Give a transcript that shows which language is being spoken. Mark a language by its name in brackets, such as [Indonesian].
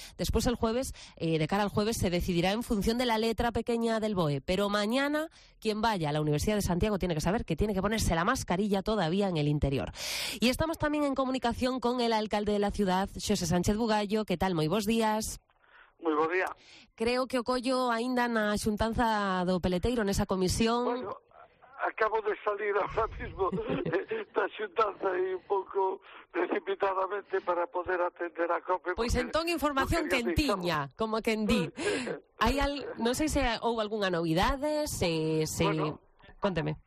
[Spanish] Después el jueves, de cara al jueves, se decidirá en función de la letra pequeña del BOE, pero mañana quien vaya a la Universidad de Santiago tiene que saber que tiene que ponerse la mascarilla todavía en el interior. Y estamos también en comunicación con el alcalde de la ciudad, Xosé Sánchez Bugallo. ¿Qué tal? [Galician] Moi bos días. Moi bos días. Creo que o collo aínda na xuntanza do Peleteiro, nesa comisión. [Spanish] Bueno. Acabo de salir ahora mismo de la xuntanza y un poco precipitadamente para poder atender a COPE. Pues entón información quentiña, como quien di. No sé si hubo alguna novedad. Bueno, cuénteme.